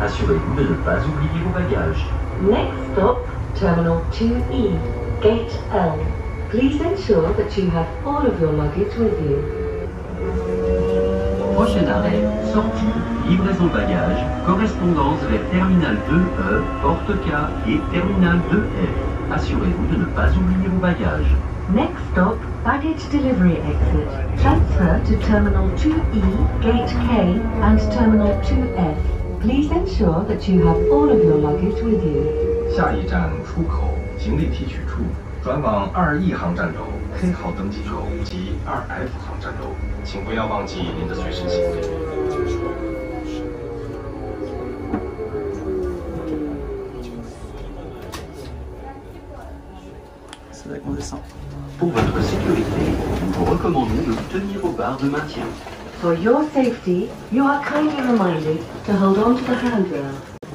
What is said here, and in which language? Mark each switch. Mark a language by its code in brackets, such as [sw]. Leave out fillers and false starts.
[fr] Assurez-vous de ne pas oublier vos bagages. [en] Next stop, terminal 2E, gate L. Please ensure that you have all of your luggage with you. [fr] Prochain arrêt, sortie, livraison de bagages, correspondance vers terminal 2E, porte K et terminal 2F. Assurez-vous de ne pas oublier vos bagages. [en] Next stop, baggage delivery exit. Transfer to Terminal 2E, Gate K, and Terminal 2F. Please ensure that you have all of your luggage with you. [zh] 下一站出口，行李提取处，转往2E航站楼 K 号登机口及2F航站楼，请不要忘记您的随身行李。 [fr] Pour votre sécurité, nous vous recommandons de vous tenir aux barres de maintien. [en] For your safety, you are kindly reminded to hold on to the handrail.